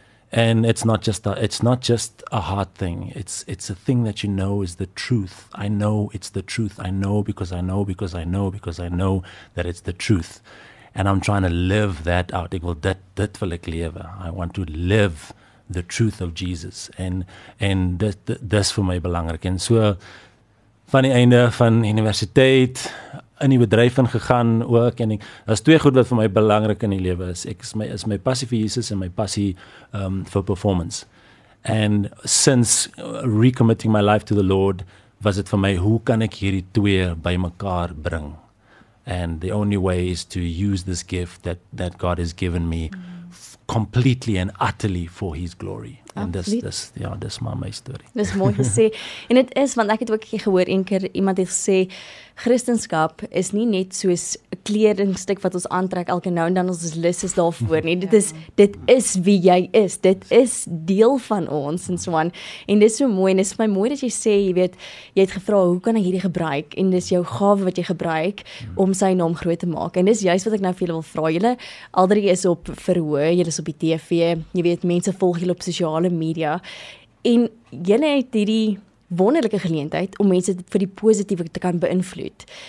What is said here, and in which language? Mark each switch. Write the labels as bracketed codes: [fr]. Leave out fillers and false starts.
[en] And it's not just a hard thing. It's a thing that you know is the truth. I know it's the truth. I know because I know because I know because I know that it's the truth. And I'm trying to live that out. [af] Ek wil dit wil ek lewe. [en] I want to live the truth of Jesus. [af] And dis vir my belangrik. En so van die einde van universiteit in die bedryf ingegaan ook en daar's twee goed wat vir my belangrik in die lewe is. Ek is my passie vir Jesus en my passie vir performance. [en] And since recommitting my life to the Lord, was it for my [af] hoe kan ek hierdie twee bymekaar bring? [en] And the only way is to use this gift that God has given me completely and utterly for his glory. [af] Absoluut. En dis my story. Dis mooi gesê. En dit is, want ek het ook gehoor een keer iemand het gesê, Christenskap is nie net soos 'n kledingstuk wat ons aantrek elke nou en dan ons lus is daarvoor nie. Dit is wie jy is. Dit is deel van ons en so aan. En dis so mooi en dis vir my mooi dat jy sê, jy weet, jy het gevra hoe kan ek hierdie gebruik en dis jou gawe wat jy gebruik om sy naam groot te maak. En dis juist wat ek nou vir julle wil vra. Julle alreeds is op verhoor, julle is op die TV, jy weet, mense volg julle op sosiale media. En julle het hierdie wonderlike geleentheid om mense vir die positiewe te kan beïnvloed.